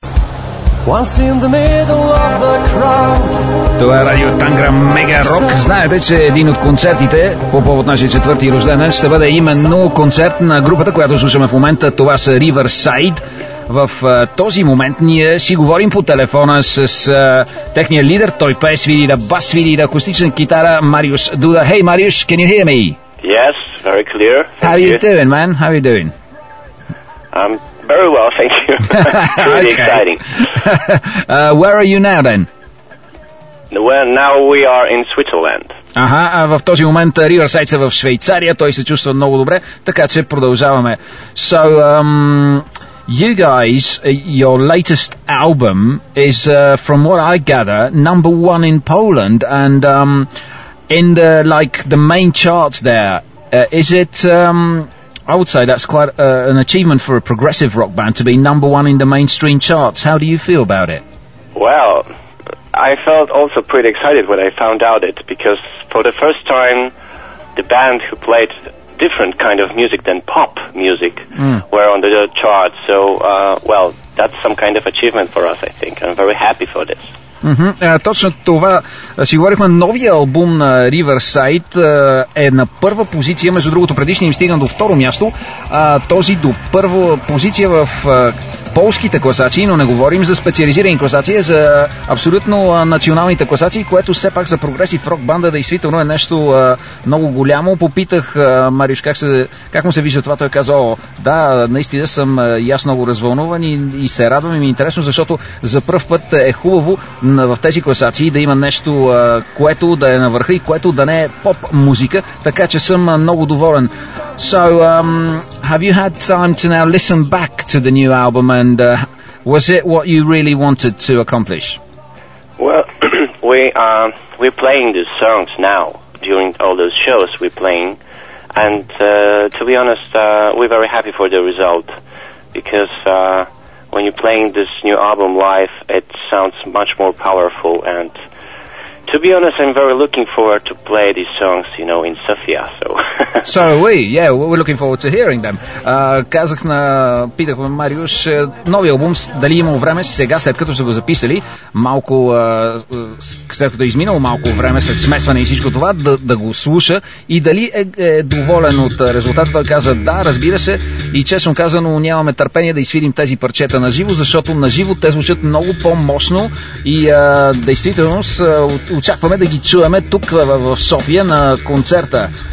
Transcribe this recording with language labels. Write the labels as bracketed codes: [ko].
[en] Once in the middle of the crowd. [bg] Това е Радио Тангра Мега Рок. Знаете, че един от концертите по повод нашия четвърти рожден ще бъде именно концерт на групата, която слушаме в момента. Това са Riverside. В този момент ние си говорим по телефона с техния лидер. Той пее свирида, бас свирида, акустична китара, Мариус Дуда. [en] Hey, Мариус, can you hear me? Yes, very clear. Thank How you doing, man? How are you doing? Very well, thank you. Pretty exciting. Where are you now, then? Well, now we are in Switzerland. [bg] Ага, в този момент Riverside са в Швейцария. Той се чувства много добре, така че продължаваме. [en] So, you guys, your latest album is, from what I gather, number one in Poland. And in the, like, the main charts there, is it... I would say that's quite an achievement for a progressive rock band to be number one in the mainstream charts. How do you feel about it? Well, I felt also pretty excited when I found out it, because for the first time, the band who played different kind of music than pop music were on the charts. So, well, that's some kind of achievement for us, I think. I'm very happy for this. Mm-hmm. [bg] Точно това си говорихме. Новия албум на Riverside е на първа позиция. Между другото, предишния им стигна до второ място. Този до първа позиция в полските класации, но не говорим за специализирани класации, за абсолютно националните класации, което все пак за прогресив рок банда действително е нещо много голямо. Попитах Мариус как му се вижда това. Той каза: о, да, наистина съм и аз много развълнуван и се радвам и ми е интересно, защото за пръв път е хубаво в тези класации да има нещо, което да е на върха и което да не е поп музика, така че съм много доволен. [en] So, have you had time to now listen back to the new album, and was it what you really wanted to accomplish? Well, we're playing these songs now during all those shows we're playing, and to be honest, we're very happy for the result, because when you're playing this new album live, it sounds much more powerful. And to be honest, I'm very looking forward to play these songs, you know, in Sofia, so... So are we. Yeah, we're looking forward to hearing them. [bg] Казах на... Питах ме, Мариус, новия албум, дали има време сега, след като са го записали, малко... след като е изминало малко време, след смесване и всичко това, да го слуша и дали е доволен от резултата. Той каза: да, разбира се, и честно казано нямаме търпение да изсвидим тези парчета на живо, защото на живо те звучат много по-мощно и действително очакваме да ги чуеме тук в София на концерта.